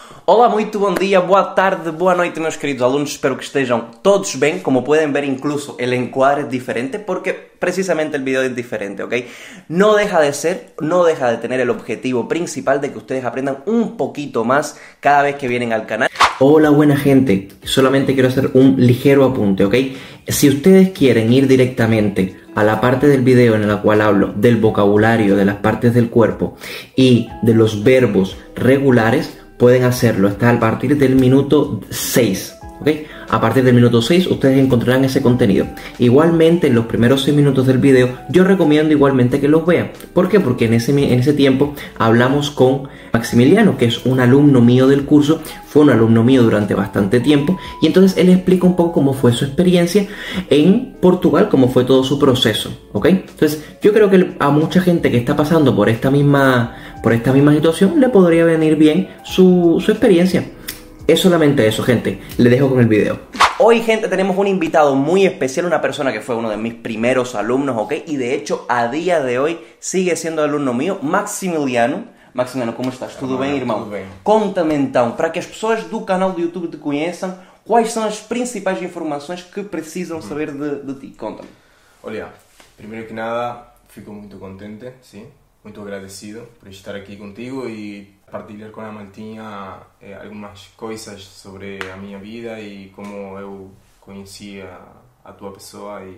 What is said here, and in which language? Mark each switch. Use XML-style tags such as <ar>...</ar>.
<pt>Olá, muito bom dia, boa tarde, boa noite, meus queridos alunos. Espero que estejam todos bem. Como podem ver, incluso o enquadro é diferente, porque precisamente o vídeo é diferente, ok? Não deixa de ser, não deixa de ter o objetivo principal de que vocês aprendam um pouquinho mais cada vez que vêm ao canal.</pt> <es>Hola, buena gente. Solamente quiero hacer un ligero apunte, ¿ok? Si ustedes quieren ir directamente a la parte del video en la cual hablo del vocabulario, de las partes del cuerpo y de los verbos regulares, pueden hacerlo. Está a partir del minuto 6, ¿ok? A partir del minuto 6 ustedes encontrarán ese contenido. Igualmente, en los primeros 6 minutos del video, yo recomiendo igualmente que los vean. ¿Por qué? Porque en ese tiempo hablamos con Maximiliano, que es un alumno mío del curso, fue un alumno mío durante bastante tiempo, y entonces él explica un poco cómo fue su experiencia en Portugal, cómo fue todo su proceso, ¿ok? Entonces, yo creo que a mucha gente que está pasando por esta misma situación, le podría venir bien su experiencia. Es solamente eso, gente. Le dejo con el video. Hoy, gente, tenemos un invitado muy especial, una persona que fue uno de mis primeros alumnos, ¿ok? Y de hecho, a día de hoy, sigue siendo alumno mío, Maximiliano.</es> <pt>Maximiliano, como estás? Tudo bem, irmão? Tudo bem. Conta-me então, para que as pessoas do canal do YouTube te conheçam, quais são as principais informações que precisam saber de ti? Conta-me. Olha, primeiro que nada, fico muito contente, sim? Muito agradecido por estar aqui contigo e partilhar com a Maltinha algumas coisas sobre a minha vida e como eu conheci a tua pessoa.</pt>